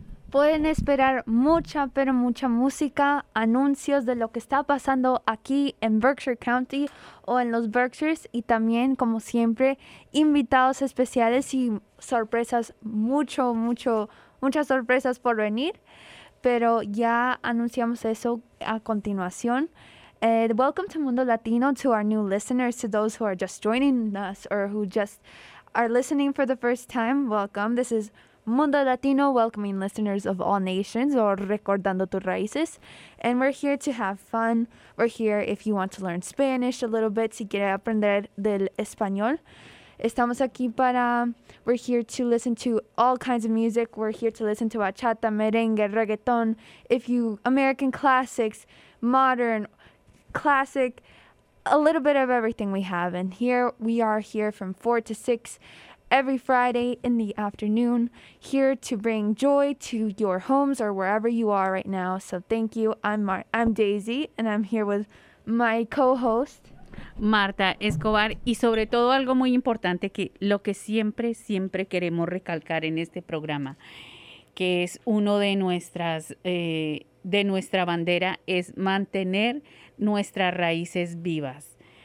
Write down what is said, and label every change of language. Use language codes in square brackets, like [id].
[es] Pueden esperar mucha, pero mucha música, anuncios de lo que está pasando aquí en Berkshire County o en los Berkshires, y también, como siempre, invitados especiales y sorpresas, muchas sorpresas por venir. Pero ya anunciamos eso a continuación. [en] Welcome to Mundo Latino, to our new listeners, to those who are just joining us or who just are listening for the first time. Welcome. This is Mundo Latino, welcoming listeners of all nations, or Recordando Tus Raíces. And we're here to have fun. We're here if you want to learn Spanish a little bit, si quiere aprender del español. Estamos aquí para, we're here to listen to all kinds of music. We're here to listen to bachata, merengue, reggaeton, American classics, modern, classic, a little bit of everything we have. And here we are here from 4 to 6 every Friday in the afternoon, here to bring joy to your homes or wherever you are right now. So thank you. I'm Daisy, and I'm here with my co-host, [es] Marta Escobar, y sobre todo algo muy importante, que lo que siempre, siempre queremos recalcar en este programa, que es uno de nuestra bandera, es mantener nuestras raíces vivas.